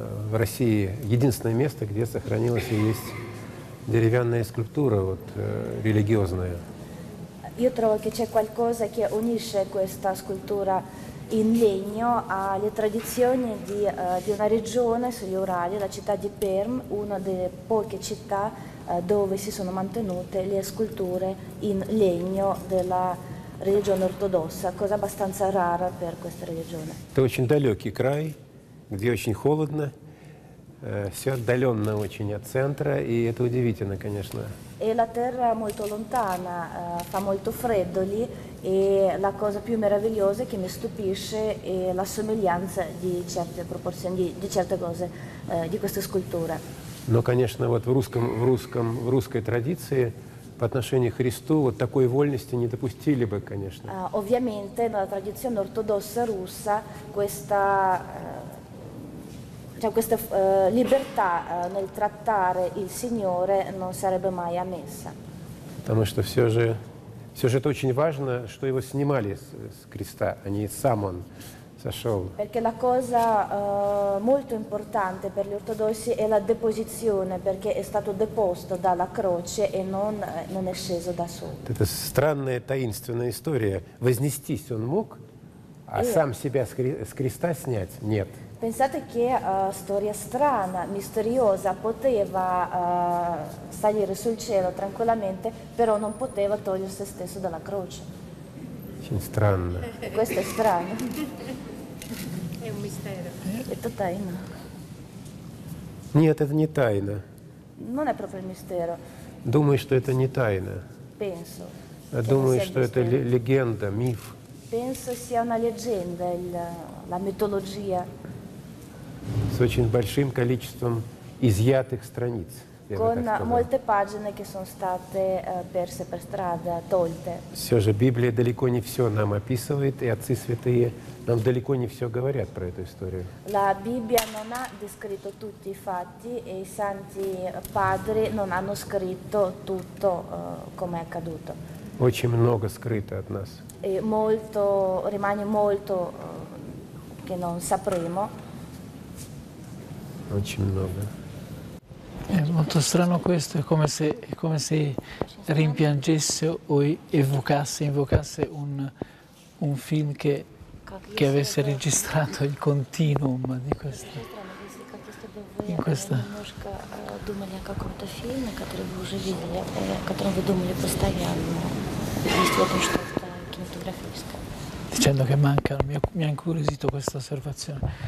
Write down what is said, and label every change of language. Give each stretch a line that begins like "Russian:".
Russian: В России единственное место, где сохранилась и есть деревянная скульптура, вот религиозная.
Italian: Io trovo che c'è qualcosa che unisce questa scultura in legno alle tradizioni di una regione sugli Urali, la città di Perm, una delle poche città dove si sono mantenute le sculture in legno della religione ortodossa, cosa abbastanza rara per questa religione.
Russian: Это очень далекий край, где очень холодно, все отдаленно очень от центра, и это удивительно, конечно.
Italian: E la terra molto lontana, fa molto freddo lì, e la cosa più meravigliosa che mi stupisce è la somiglianza di certe proporzioni, di certe cose, di queste sculture.
Russian: Но, конечно, вот в русской традиции по отношению к Христу вот такой вольности не допустили бы, конечно.
Italian: Ovviamente, nella tradizione ortodossa russa, questa cioè questa libertà nel trattare il Signore non sarebbe mai ammessa.
Russian: Потому что все же это очень важно, что его снимали с креста, а не сам он сошел.
Italian: Perché la cosa molto importante per gli ortodossi è la deposizione, perché è stato deposto dalla croce e non è sceso da solo.
Russian: Это странная таинственная история. Вознестись он мог, а сам себя с креста снять нет.
Italian: Pensate che storia strana, misteriosa, poteva salire sul cielo tranquillamente, però non poteva togliere se stesso dalla croce. Strano. Questo è strano. È un mistero. È tutta
Russian: taina. Нет, это не тайна.
Italian: Non è proprio il mistero.
Russian: Думаю, что это не тайна.
Italian: Penso.
Russian: Думаю, что это легенда, миф.
Italian: Penso sia una leggenda, la mitologia.
Russian: С очень большим количеством изъятых страниц.
Italian: Con molte pagine che sono state perse per strada, tolte.
Russian: Все же Библия далеко не все нам описывает, и отцы святые нам далеко не все говорят про эту историю.
Italian: La Bibbia non ha descritto tutti i fatti e i santi padri non hanno scritto tutto come è accaduto.
Russian: Очень много скрыто от нас.
Italian: E molto rimane molto che non sapremo.
Russian: Очень много.
Italian: È molto strano questo, è come se rimpiangesse o evocasse un film che avesse registrato il continuum di questo. In questa.
Russian: Думали о каком-то фильме, который вы уже видели, о котором вы думали постоянно. Есть в этом что-то кинематографическое.
Italian: Dicendo che mancano, mi ha incuriosito questa osservazione.